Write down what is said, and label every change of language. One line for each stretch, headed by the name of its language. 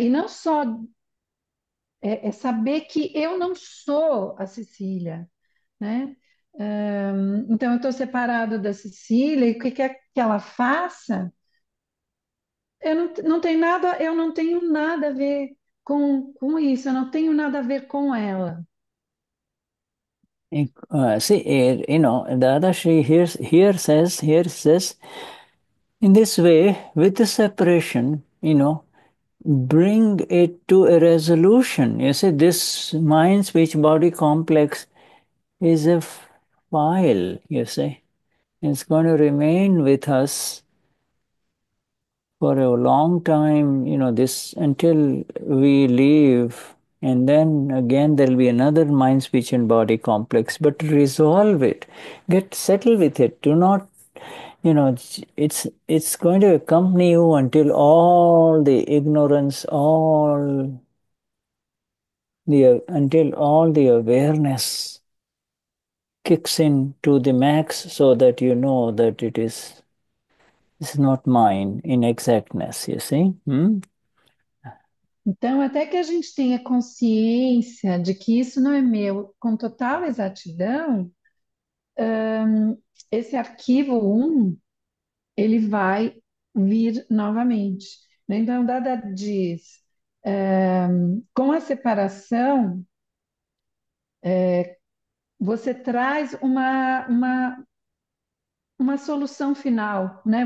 Portuguese: E não só é saber que eu não sou a Cecília, né? Então eu estou separado da Cecília e o que quer que ela faça? Eu não tenho nada a ver com isso, eu não tenho nada a ver com ela.
English: See, Dadashri here says, in this way, with the separation, bring it to a resolution. You see, this mind speech body complex is a file, you see. It's going to remain with us for a long time, this until we leave. And then again, there'll be another mind, speech, and body complex. But resolve it, get settled with it. Do not, it's going to accompany you until all the ignorance, until all the awareness kicks in to the max, so that you know that it's not mine in exactness. You see?
Portuguese: Então, até que a gente tenha consciência de que isso não é meu, com total exatidão, esse arquivo 1, ele vai vir novamente. Então, Dada diz, com a separação, você traz uma solução final, né?